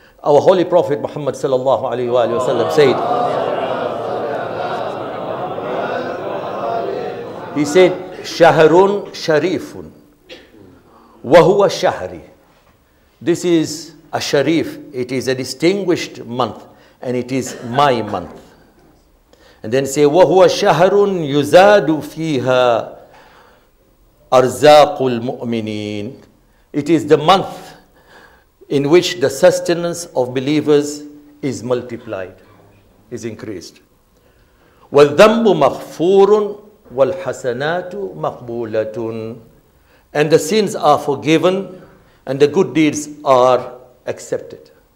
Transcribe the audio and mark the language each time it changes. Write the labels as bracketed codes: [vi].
[en] Our holy prophet Muhammad sallallahu alaihi wa alihi wasallam said, he said, [ar] shahrun sharifun wa huwa shahri. [en] This is a sharif, it is a distinguished month, and it is my month. And then say, [ar] وَهُوَ شَهْرٌ يُزَادُ فِيهَا أَرْزَاقُ الْمُؤْمِنِينَ. [en] It is the month in which the sustenance of believers is multiplied, is increased. [ar] وَالذَّنْبُ مَغْفُورٌ وَالْحَسَنَاتُ مَقْبُولَةٌ. [en] And the sins are forgiven and the good deeds are accepted.